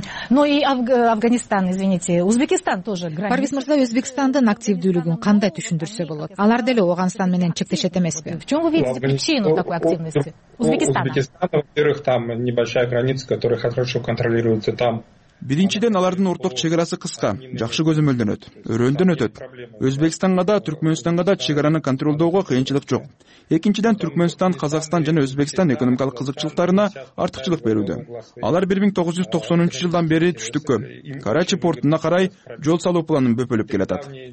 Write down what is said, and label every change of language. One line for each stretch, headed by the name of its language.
Russian: Ну и Афганистан, извините, Узбекистан тоже.
Kyrgyz: Парвиз мырза, Өзбекистандын активдүүлүгүн кандай түшүндүрсө болот? Алар деле Ооганстан менен чектешет эмеспи?
Russian: В чём вы видите причину такой активности? Узбекистан, во-первых, там небольшая граница, которая хорошо контролируется там.
Kyrgyz: Биринчиден алардын орток чек арасы кыска, жакшы көзөмөлдөнөт, өрөндөн өтөт. Өзбекстанга да, Түркмөнстанга да чек араны контролдоого кыйынчылык жок. Экинчиден Түркмөнстан, Казакстан жана Өзбекстан экономикалык кызыкчылыктарына артыкчылык берүүдө. Алар 1990 жылдан бери түштүккө, Карачи портуна карай жол салуу планын бөпөлөп келатат.